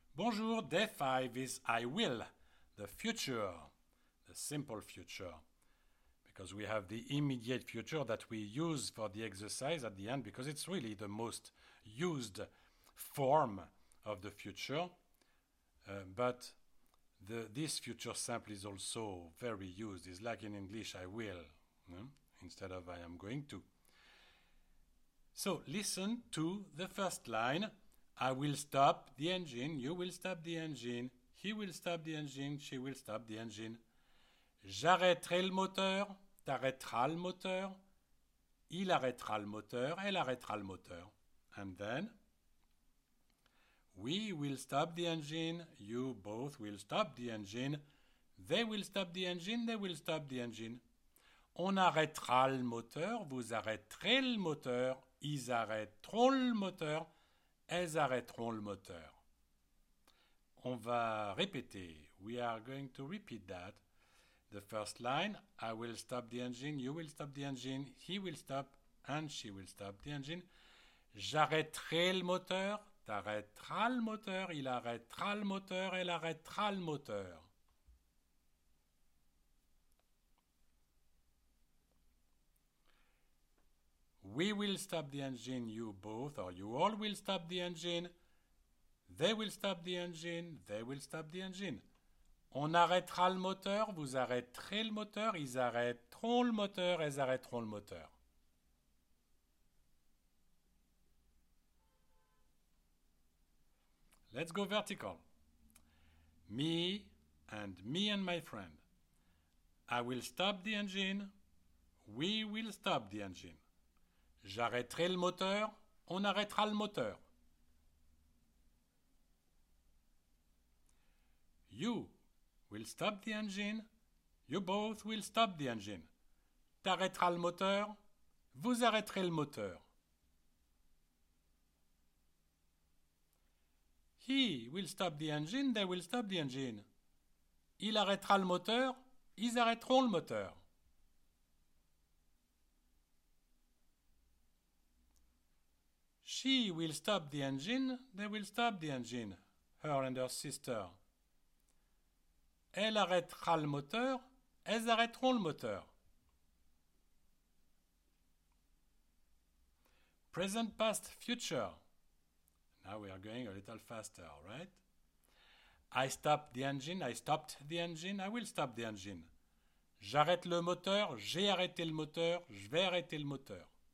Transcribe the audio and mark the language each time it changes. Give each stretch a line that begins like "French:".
English: Bonjour, day 5 is I will, the future, the simple future, because we have the immediate future that we use for the exercise at the end, because it's really the most used form of the future, but this future simple is also very used. It's like in English, I will, instead of I am going to. So listen to the first line. I will stop the engine, you will stop the engine, he will stop the engine, she will stop the engine.
French: J'arrêterai le moteur, t'arrêteras le moteur, il arrêtera le moteur, elle arrêtera le moteur.
English: And then, we will stop the engine, you both will stop the engine, they will stop the engine, they will stop the engine.
French: On arrêtera le moteur, vous arrêterez le moteur, ils arrêteront le moteur. Elles arrêteront le moteur. On va répéter.
English: We are going to repeat that. The first line, I will stop the engine, you will stop the engine, he will stop and she will stop the engine.
French: J'arrêterai le moteur, t'arrêteras le moteur, il arrêtera le moteur, elle arrêtera le moteur.
English: We will stop the engine, you both, or you all will stop the engine. They will stop the engine, they will stop the engine.
French: On arrêtera le moteur, vous arrêterez le moteur, ils arrêteront le moteur, elles arrêteront le moteur.
English: Let's go vertical. Me and my friend. I will stop the engine, we will stop the engine.
French: J'arrêterai le moteur, on arrêtera le moteur.
English: You will stop the engine, you both will stop the engine.
French: T'arrêteras le moteur, vous arrêterez le moteur.
English: He will stop the engine, they will stop the engine.
French: Il arrêtera le moteur, ils arrêteront le moteur.
English: She will stop the engine, they will stop the engine, her and her sister.
French: Elle arrêtera le moteur, elles arrêteront le moteur.
English: Present, past, future. Now we are going a little faster, right? I stopped the engine, I stopped the engine, I will stop the engine.
French: J'arrête le moteur, j'ai arrêté le moteur, je vais arrêter le moteur.